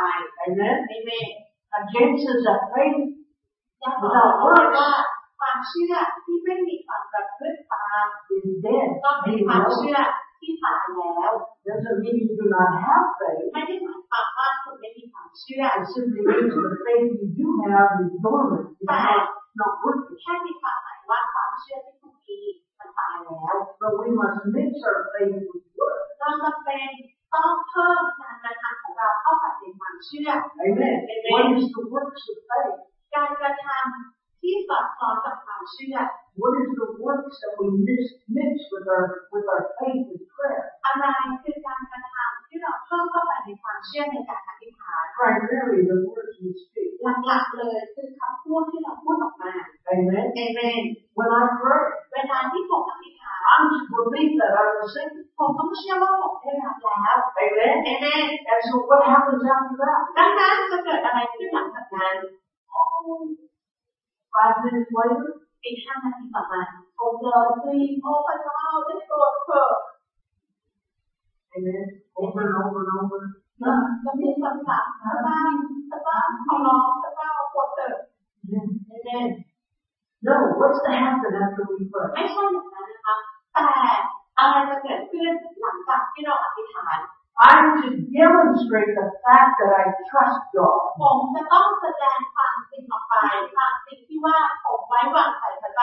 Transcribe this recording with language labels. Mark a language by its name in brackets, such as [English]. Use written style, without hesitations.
[English] Amen. Amen. And James says that faith without works [Thai] ความเชื่อที่ไม่มีความประพฤติตาม [English] is dead. [Thai] ก็เป็นความเชื่อที่ตายแล้ว [English] Doesn't mean you do not have faith. [Thai] ไม่ได้หมายความว่าคุณไม่มีความเชื่อ [English] It simply means the faith you do have is dormant. But not working. [Thai] แค่มีความหมายว่าความเชื่อที่คุณมีมันตายแล้ว [English] But we must mix our faith with work. [Thai] เราจะเป็นต้องเพิ่มการกระทำของเราเข้าไปในความเชื่อ [English] Amen. Amen. What is the works of faith? [Thai] การกระทำที่สอดคล้องกับความเชื่อ [English] What is the works that we mix with our faith and prayer? [Thai] อะไรคือการกระทำที่เราเพิ่มเข้าไปในความเชื่อในการอธิษฐาน [English] Primarily the words we speak. [Thai] หลักๆเลยคือคำพูดที่เราพูดออกมา [English] Amen. Amen. When I pray, [Thai] เวลาที่ผมอธิษฐาน [English] I must believe that I receive. [Thai] ผมต้องเชื่อว่าผมได้รับแล้ว [English] Amen. Amen. And so what happens after that? [Thai] ดังนั้นจะเกิดอะไรขึ้นหลังจากนั้น [English] Oh, 5 minutes later. [Thai] อีก5นาทีต่อมา [English] โอ้ God please [Thai] โอ้พระเจ้าได้โปรดเถอะ [English] Amen Over and over and over [Thai] นะจะมีคำสั่งพระเจ้าพระเจ้าขอร้องพระเจ้าโปรดเถอะ [English] Amen No what's the happen after we pray [Thai] ไม่ใช่อย่างนั้นนะคะแต่อะไรจะเกิดขึ้นหลังจากที่เราอธิษฐาน [English] I'm to demonstrate the fact that I trust God [Thai] ผมจะต้องแสดงความจริงออกไปความจริงที่ว่าผมไว้วางใจพระเจ